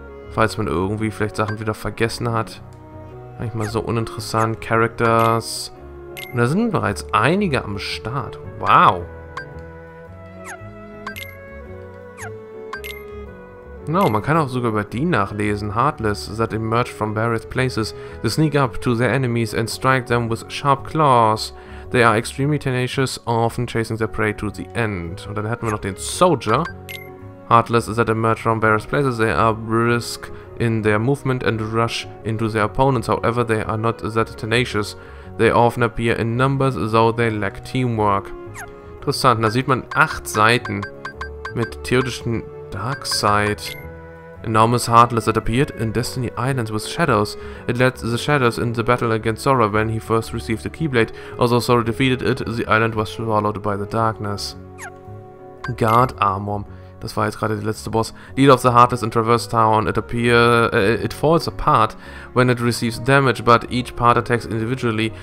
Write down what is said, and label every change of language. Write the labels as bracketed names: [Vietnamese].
[German] Falls man irgendwie vielleicht Sachen wieder vergessen hat. Manchmal so uninteressant. Characters. Und da sind bereits einige am Start. Wow. Genau, man kann auch sogar über die nachlesen. [English] Heartless that emerged from various places. They sneak up to their enemies and strike them with sharp claws. They are extremely tenacious, often chasing their prey to the end. [German] Und dann hatten wir noch den Soldier. [English] Heartless that emerged from various places. They are brisk in their movement and rush into their opponents. However, they are not that tenacious. They often appear in numbers, though they lack teamwork. [German] Interessant, da sieht man 8 Seiten mit theoretischen Dark Side. [English] Enormous Heartless that appeared in Destiny Islands with Shadows. It led the Shadows in the battle against Zora when he first received the Keyblade. Although Zora defeated it, the island was swallowed by the darkness. Guard Armor. [German] Das war jetzt gerade der letzte Boss. [English] Leader of the Heartless in Traverse Town. It falls apart when it receives damage, but each part attacks individually.